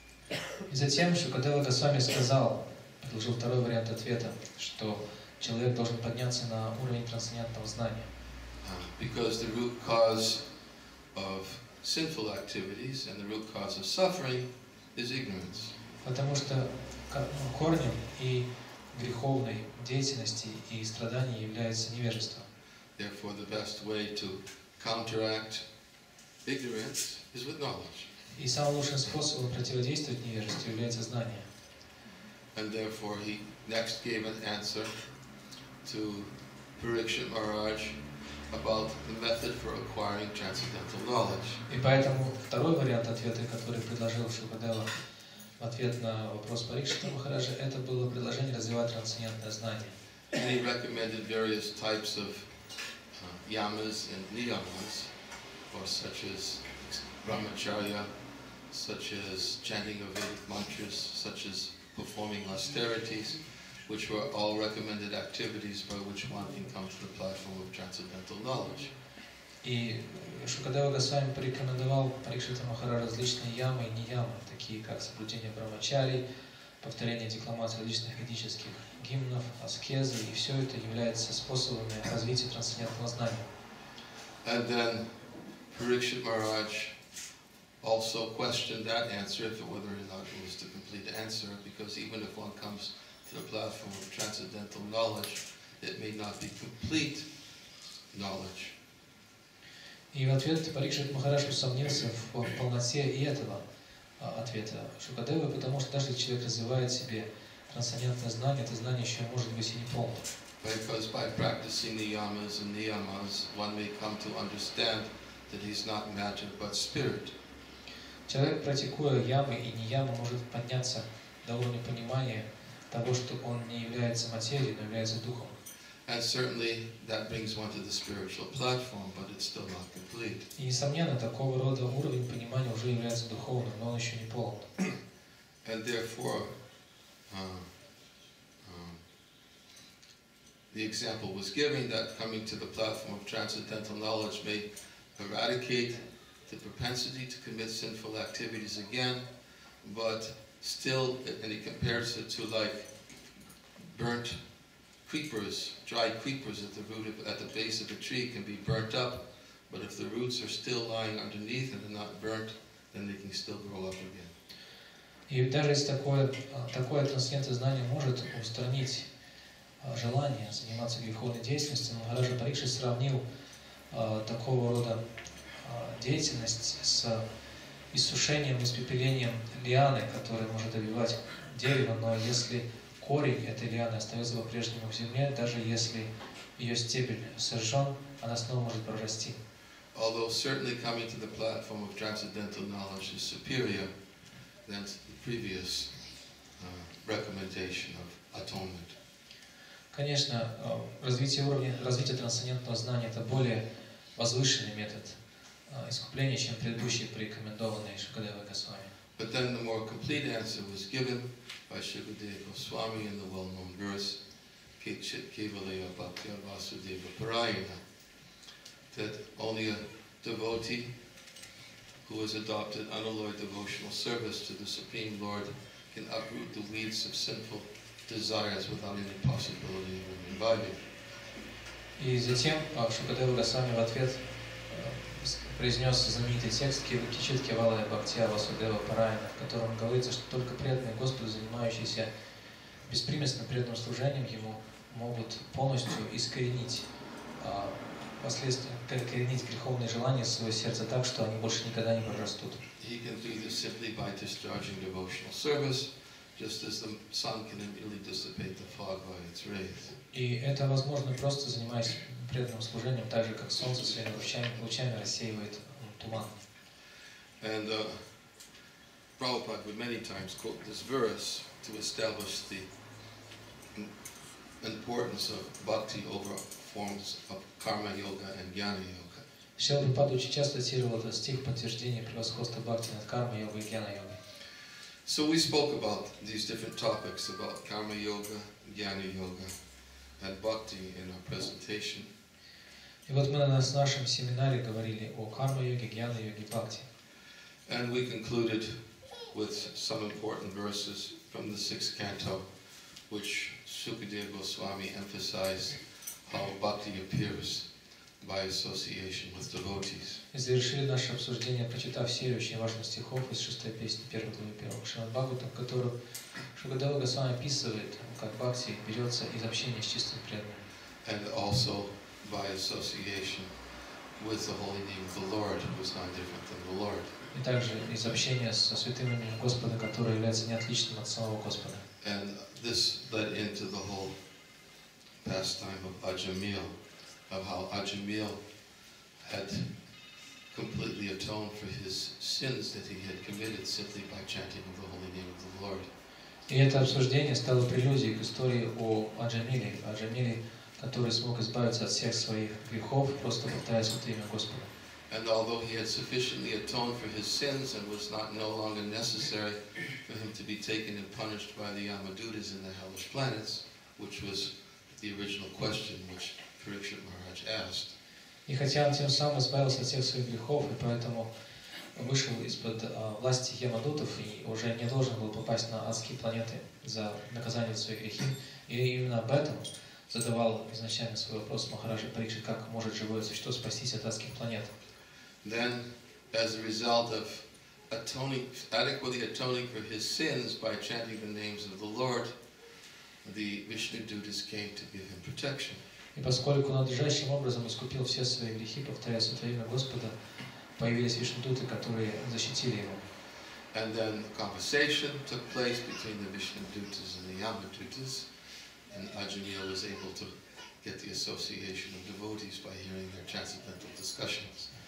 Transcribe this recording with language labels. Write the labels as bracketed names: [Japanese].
[Russian] И затем Шукадева Госвами сказал, предложил второй вариант ответа, что человек должен подняться на уровень трансцендентного знания. [English] Because the root cause of sinful activities and the root cause of suffering is ignorance. [Russian] Потому что корнем и греховной деятельности и страданий является невежество. [English] Therefore, the best way to counteract ignorance is with knowledge. [Russian] И самым лучшим способом противодействовать невежеству является знание. [English] And therefore, he next gave an answer to Parikshit Maharaj about the method for acquiring transcendental knowledge. [Russian] И поэтому второй вариант ответа, который предложил Шукадева в ответ на вопрос Парикшита Махараджа, это было предложение развивать трансцендентное знание. [English] And he recommended various types of yamas and niyamas, or such as brahmacharya, such as chanting of Vedic mantras, such as performing austerities, which were all recommended activities by which one can come to the platform of transcendental knowledge. [Russian] И Шукадева Госвами порекомендовал Парикшита Махараджа различные ямы и ниямы, такие как соблюдение брахмачари, повторение декламации различных ведических гимнов, аскезы, и все это является способами развития трансцендентного знания. [English] And then Parikshit Maharaj also questioned that answer, if it whether or not it was the complete answer, because even if one comes to the platform of transcendental knowledge, it may not be complete knowledge. [Russian] И в ответ Парикшит Махараджа усомнился в полноте и этого ответа Шукадевы, потому что даже если человек развивает в себе трансцендентное знание, это знание еще может быть и неполным. [English] Because by practicing the yamas and niyamas, one may come to understand that he's not matter but spirit. [Russian] Человек, практикуя ямы и ниямы, может подняться до уровня понимания того, что он не является материей, но является духом. [English] And certainly that brings one to the spiritual platform, but it's still not complete. [Russian] И несомненно, такого рода уровень понимания уже является духовным, но он еще не полон. [English] And therefore, the example was given that coming to the platform of transcendental knowledge may eradicate the propensity to commit sinful activities again, but still, and he compares it to like burnt creepers, dried creepers at the base of a tree can be burnt up, but if the roots are still lying underneath and are not burnt, then they can still grow up again. [Russian] И даже если такое трансцендентное знание может устранить желание заниматься греховной деятельностью, но даже Парикшит сравнил такого рода деятельность с иссушением, испепелением лианы, которая может обивать дерево, но если корень этой лианы остается по-прежнему в земле, даже если ее стебель сожжен, она снова может прорасти. [English] Although certainly coming to the platform of transcendental knowledge is superior than the previous recommendation of atonement. [Russian] Конечно, развитие уровня, развитие трансцендентного знания — это более возвышенный метод искупления, чем предыдущие порекомендованные Шукадева Госвами. [English] But then the more complete answer was given by Shukadeva Goswami in the well-known verse [Sanskrit] Kichit Kivalaya Bhaktya Vasudeva Parayana, [English] that only a devotee who has adopted unalloyed devotional service to the Supreme Lord can uproot the weeds of sinful desires without any possibility of reviving. [Russian] И затем Шукадева Госвами в ответ произнес знаменитый текст [Sanskrit] Кичит Кивалая Бхактия Васудева Парайана, [Russian] в котором говорится, что только преданные Господу, занимающиеся беспримесным преданным служением Ему, могут полностью искоренить последствия, коренить греховные желания из своего сердца так, что они больше никогда не прорастут. [English] He can do this simply by discharging devotional service, just as the sun can immediately dissipate the fog by its rays. [Russian] И это возможно просто занимаясь преданным служением, так же как солнце своими лучами рассеивает туман. [English] And Prabhupada would many times quote this verse to establish the importance of bhakti over forms of karma yoga and jnana yoga. [Russian] Шрила Прабхупада очень часто цитировал этот стих подтверждение превосходства бхакти над карма йогой и джнана йогой. [English] So we spoke about these different topics about karma yoga, jnana yoga, and bhakti in our presentation. [Russian] И вот мы на нашем семинаре говорили о карма-йоге, гьяна-йоге, бхакти. [English] And we concluded with some important verses from the sixth canto, which Shukadeva Goswami emphasized how bhakti appears by association with devotees. [Russian] И завершили наше обсуждение, прочитав серию очень важных стихов из шестой песни первой главы первого Шримад-Бхагаватам, которую Шукадева Госвами описывает, как бхакти берется из общения с чистым преданным. [English] And also by association with the holy name of the Lord, who is not different than the Lord. [Russian] И также из общения со святым именем Господа, которое является неотличным от самого Господа. [English] And this led into the whole pastime of Ajamil, of how Ajamil had completely atoned for his sins that he had committed simply by chanting the holy name of the Lord. [Russian] И это обсуждение стало прелюдией к истории о Аджамиле. Аджамиле, который смог избавиться от всех своих грехов, просто повторяя святое имя Господа. [English] And although he had sufficiently atoned for his sins and was not no longer necessary for him to be taken and punished by the Yamadutas in the hellish planets, which was the original question which Parikshit Maharaj asked. [Russian] И хотя он тем самым избавился от всех своих грехов, и поэтому вышел из-под власти Ямадутов и уже не должен был попасть на адские планеты за наказание за свои грехи. И именно об этом задавал изначально свой вопрос Махараджа Парикшит, как может живое существо спастись от адских планет. [English] Then, as a result of adequately atoning for his sins by chanting the names of the Lord, the Vishnudutas came to give him protection. [Russian] И поскольку надлежащим образом искупил все свои грехи, повторяя святое имя Господа, появились вишнудуты, которые защитили его. [English] And then the conversation took place between the Vishnudutas and the Yamadutas, and Ajamil was able to get the association of devotees by hearing their transcendental discussions.